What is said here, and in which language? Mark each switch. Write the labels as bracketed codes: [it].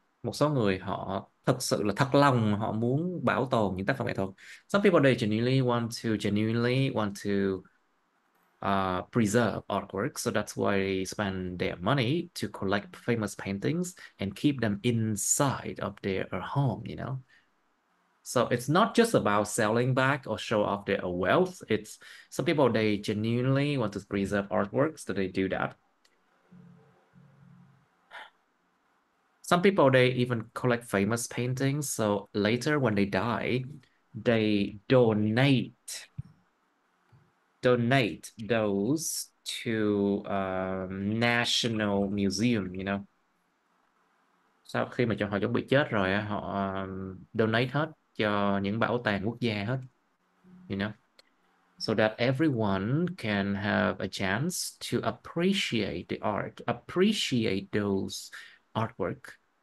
[vi] Một số người họ thực sự là thật lòng họ muốn bảo tồn những tác phẩm nghệ thuật. [en] Some people they genuinely want to preserve artwork, so that's why they spend their money to collect famous paintings and keep them inside of their home, you know. So it's not just about selling back or show off their wealth. It's some people, they genuinely want to preserve artworks, so they do that. Some people, they even collect famous paintings, so later when they die, they donate those to national museum, you know. [vi] Sau khi mà cho họ chuẩn bị chết rồi á, họ donate hết cho những bảo tàng quốc gia hết, [en] you know, so that everyone can have a chance to appreciate the art, appreciate those artwork.